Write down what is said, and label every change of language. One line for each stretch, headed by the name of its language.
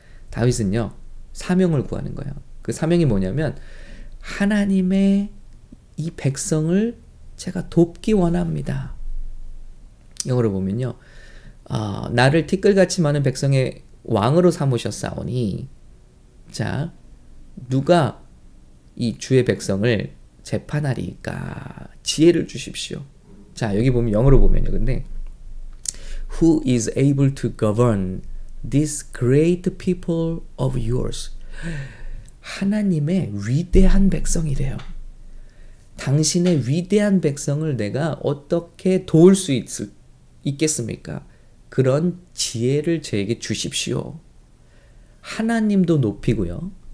Korean: 다윗은요 사명을 구하는 거예요 그 사명이 뭐냐면 하나님의 이 백성을 제가 돕기 원합니다. 영어로 보면요. 나를 티끌같이 많은 백성의 왕으로 삼으셨사오니, 자, 누가 이 주의 백성을 재판하리까 지혜를 주십시오. 자, 여기 보면 영어로 보면요.
English: 근데 Who is able to govern this great people of yours?
Korean: 하나님의 위대한 백성이래요. 당신의 위대한 백성을 내가 어떻게 도울 수 있겠습니까? 그런 지혜를 제게 주십시오. 하나님도 높이고요.